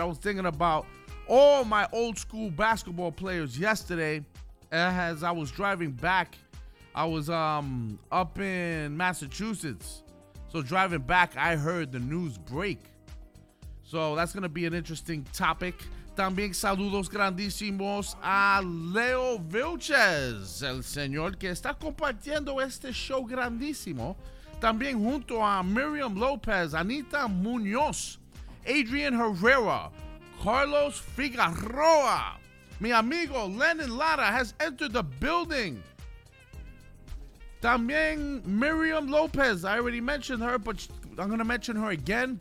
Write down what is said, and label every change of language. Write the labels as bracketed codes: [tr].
[en] I was thinking about all my old school basketball players yesterday as I was driving back. I was up in Massachusetts. So driving back, I heard the news break. So that's going to be an interesting topic. [es] También saludos grandísimos a Leo Vilches, el señor que está compartiendo este show grandísimo. También junto a Miriam Lopez, Anita Muñoz, Adrian Herrera, Carlos Figueroa. Mi amigo [en] Lennon Lara has entered the building. También Miriam Lopez, I already mentioned her, but I'm going to mention her again.